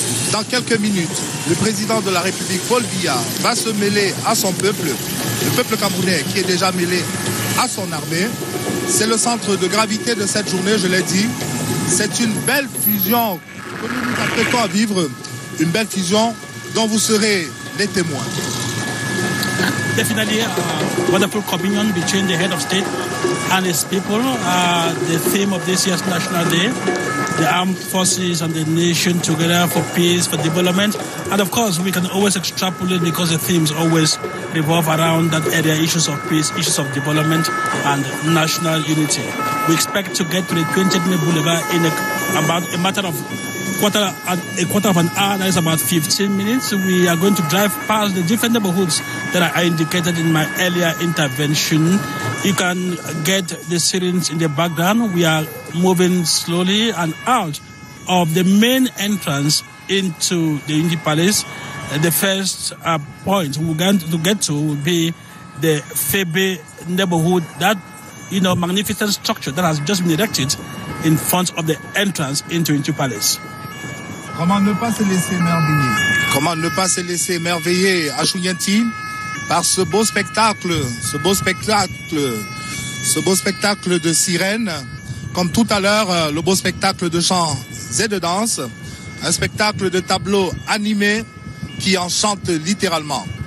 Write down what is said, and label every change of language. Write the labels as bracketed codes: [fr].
[fr] Dans quelques minutes, le président de la République, Paul Biya, va se mêler à son peuple, le peuple camerounais qui est déjà mêlé à son armée. C'est le centre de gravité de cette journée, je l'ai dit. C'est une belle fusion que nous nous apprêtons à vivre, une belle fusion dont vous serez les témoins. [en] Definitely a wonderful communion between the head of state and his people. The theme of this year's National Day, the armed forces and the nation together for peace, for development. And of course, we can always extrapolate because the themes always revolve around that area, issues of peace, issues of development and national unity. We expect to get to the 20th May Boulevard in about a quarter of an hour, that is about 15 minutes. We are going to drive past the different neighborhoods that I indicated in my earlier intervention. You can get the sirens in the background. We are moving slowly and out of the main entrance into the Unity Palace. The first point we're going to get to will be the Febe neighborhood, that, you know, magnificent structure that has just been erected in front of the entrance into Unity Palace. [fr] Comment ne pas se laisser émerveiller? Comment ne pas se laisser émerveiller, Achouyenti, par ce beau spectacle de sirènes, comme tout à l'heure, le beau spectacle de chants et de danse, un spectacle de tableaux animés qui enchante littéralement.